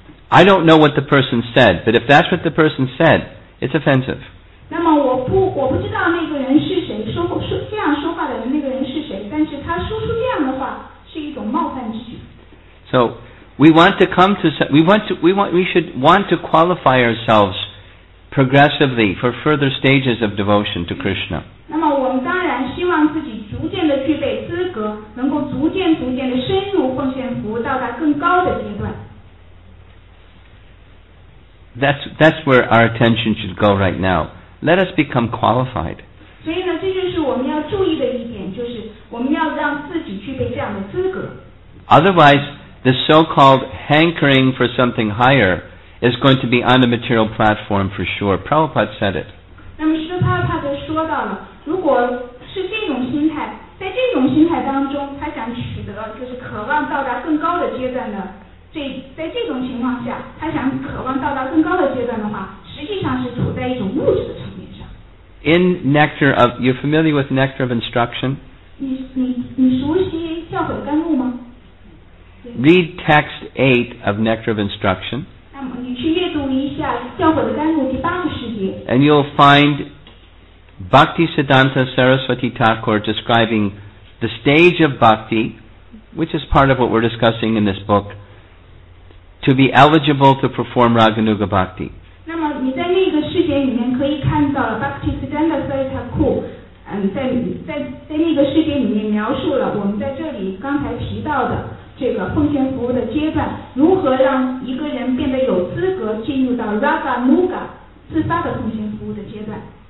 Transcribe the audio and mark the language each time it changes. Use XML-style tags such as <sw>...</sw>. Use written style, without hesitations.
<en>I don't know what the person said, but if that's what the person said, it's offensive.</en> <zh>那么我不知道那个人是谁，说这样说话的人那个人是谁，但是他说出这样的话是一种冒犯之举。</zh> <en>So we want to come to we should want to qualify ourselves. Progressively for further stages of devotion to Krishna.</en> <zh>那么我们当然希望自己逐渐的具备资格，能够逐渐的深入奉献服务，到达更高的阶段。</zh> <en>That's where our attention should go right now. Let us become qualified.</en> <zh>所以呢，这就是我们要注意的一点，就是我们要让自己具备这样的资格。</zh> <en>Otherwise, the so-called hankering for something higher is going to be on the material platform for sure. Prabhupada said it.</en> <zh>那么师父帕帕就说到了，如果是这种心态，在这种心态当中，他想取得，就是渴望到达更高的阶段的。在这种情况下，他想渴望到达更高的阶段的话，实际上是处在一种物质的层面上。</zh> <en>In nectar of, you're familiar with nectar of instruction?</en> <zh>你熟悉教诲甘露吗？</zh> <en>Read text 8 of nectar of instruction.</en> <zh>那么你去阅读一下教诲甘露第八个世界。</zh> <en>And you'll find Bhaktisiddhanta Saraswati Thakur describing the stage of bhakti, which is part of what we're discussing in this book, to be eligible to perform Raganuga Bhakti.</en> <zh>那么你在那个世界里面可以看到 Bhaktisiddhanta Saraswati Thakur 在那个世界里面描述了我们在这里刚才提到的这个奉献服务的阶段，如何让一个人变得有资格进入到 Raganuga 自发的奉献服务的阶段。</zh>